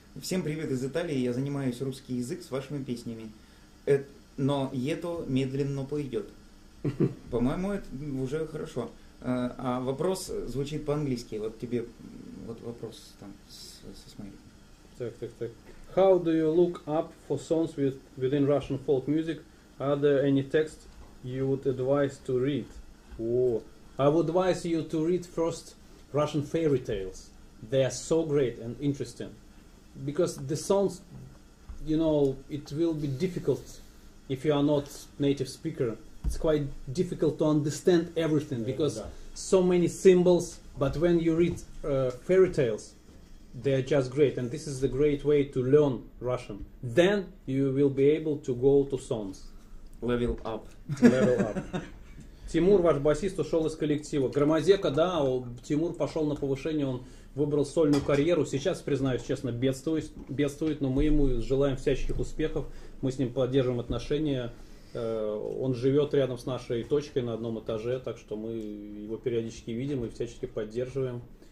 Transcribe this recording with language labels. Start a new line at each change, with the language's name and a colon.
Russian: Всем привет из Италии, я занимаюсь русский язык с вашими песнями. Но это медленно пойдет. По-моему, это уже хорошо. А вопрос звучит по-английски. Вот тебе вот вопрос там со смайликом. Так, так, так.
English: How do you look up for songs within Russian folk music? Are there any text you would advise to read? I would advise you to read first Russian fairy tales. They are so great and interesting. Because the songs, you know, it will be difficult if you are not native speaker. It's quite difficult to understand everything because so many symbols. But when you read fairy tales, they are just great. And this is a great way to learn Russian. Then you will be able to go to songs. Level up. Level up.
Russian: Тимур, ваш басист, ушел из коллектива. Громозека, да, Тимур пошел на повышение, он выбрал сольную карьеру. Сейчас, признаюсь честно, бедствует, но мы ему желаем всяческих успехов. Мы с ним поддерживаем отношения. Он живет рядом с нашей точкой на одном этаже, так что мы его периодически видим и всячески поддерживаем.